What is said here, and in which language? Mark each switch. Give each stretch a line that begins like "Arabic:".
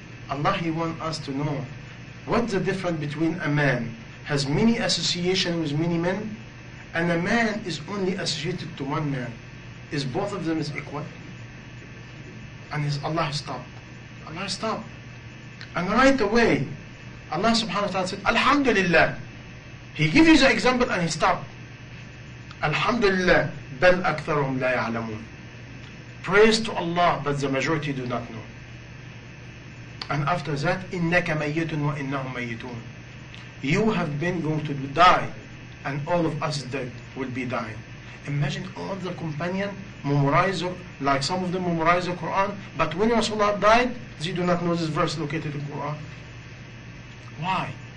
English: Allah, He wants us to know what's the difference between a man has many association with many men and a man is only associated to one man. Is both of them is equal? And is Allah stop? Allah stop. And right away, Allah subhanahu wa ta'ala said, Alhamdulillah. He gives you the example and he stopped.
Arabic: Alhamdulillah, بَلْ أَكْثَرُهُمْ لَا يَعْلَمُونَ.
English: Praise to Allah, but the majority do not know. And after that,
Arabic: إِنَّكَ مَيِّتٌ وَإِنَّهُمْ مَيِّتُونَ.
English: You have been going to die, and all of us dead will be dying. Imagine all the companions memorize, like some of them memorize the Quran, but when Rasulullah died, they do not know this verse located in the Quran. Why?